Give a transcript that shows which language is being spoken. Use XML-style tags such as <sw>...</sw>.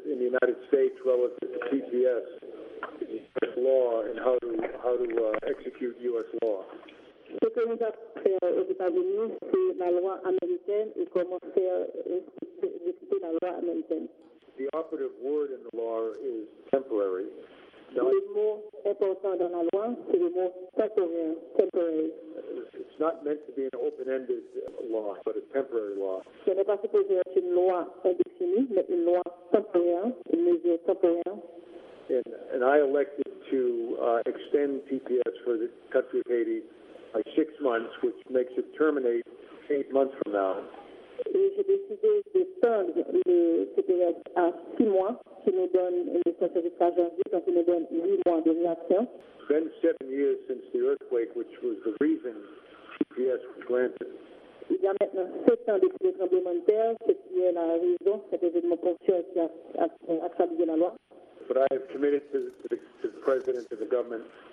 <en>United States relative to TPS, U.S. law, and how to execute U.S. law.</en> <fr>Ce que nous avons aux États-Unis, c'est la loi américaine et comment faire respecter la loi américaine.</fr> <en>The operative word in the law is temporary.</en> <fr>Le mot important dans la loi, c'est le mot temporaire, temporary.</fr> <en>It's not meant to be an open-ended law, but a temporary law.</en> <fr>Ce n'est pas supposé être une loi indéfinie, mais une loi temporaire, une mesure temporaire.</fr> <en>And I elected to extend TPS for the country of Haiti by 6 months, which makes it terminate 8 months from now.</en> <fr>Et j'ai décidé de faire le TPS à 6 mois, qui nous donne le certificat janvier, quand il nous donne 8 mois de réaction.</fr> <en>It's been 7 years since the earthquake, which was the reason TPS was granted.</en> <fr>Il y a maintenant 7 ans depuis le tremblement de terre, ce qui est la raison, cet événement ponctuel qui a accablé la loi.</fr> <en>But I have committed to the president of the government</en>